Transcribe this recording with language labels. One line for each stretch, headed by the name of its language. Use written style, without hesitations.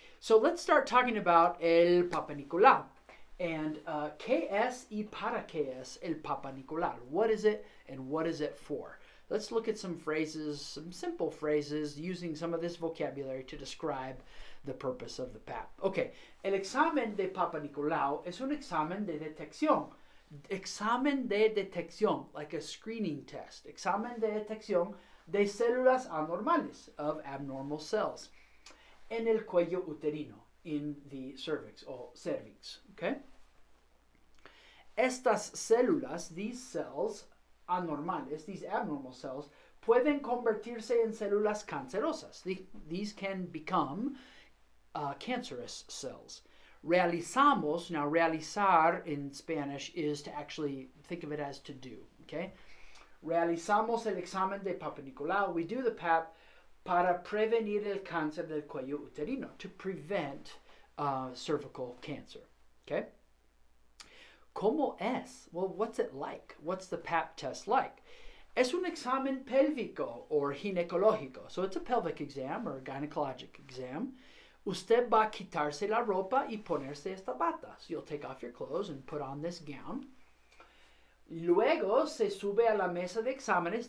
English: So let's start talking about
Spanish: el Papa Nicolau. And ¿qué es y para qué es el Papa Nicolau?
English: What is it and what is it for? Let's look at some phrases, some simple phrases, using some of this vocabulary to describe the purpose of the Pap.
Spanish: Okay, el examen de Papa Nicolau es un examen de detección. Examen de detección,
English: like a screening test.
Spanish: Examen de detección de células anormales,
English: of abnormal cells.
Spanish: En el cuello uterino,
English: in the cervix, or cervix, okay?
Spanish: Estas células,
English: these cells
Spanish: anormales,
English: these abnormal cells,
Spanish: pueden convertirse en células cancerosas.
English: These can become cancerous cells. Realizamos, now realizar in Spanish is to actually think of it as to do, okay?
Spanish: Realizamos el examen de Papa Nicolau.
English: We do the PAP
Spanish: para prevenir el cáncer del cuello uterino,
English: to prevent cervical cancer, okay?
Spanish: ¿Cómo es?
English: Well, what's it like? What's the PAP test like?
Spanish: Es un examen pélvico
English: or ginecológico. So it's a pelvic exam or a gynecologic exam.
Spanish: Usted va a quitarse la ropa y ponerse esta bata.
English: So you'll take off your clothes and put on this gown.
Spanish: Luego se sube a la mesa de exámenes.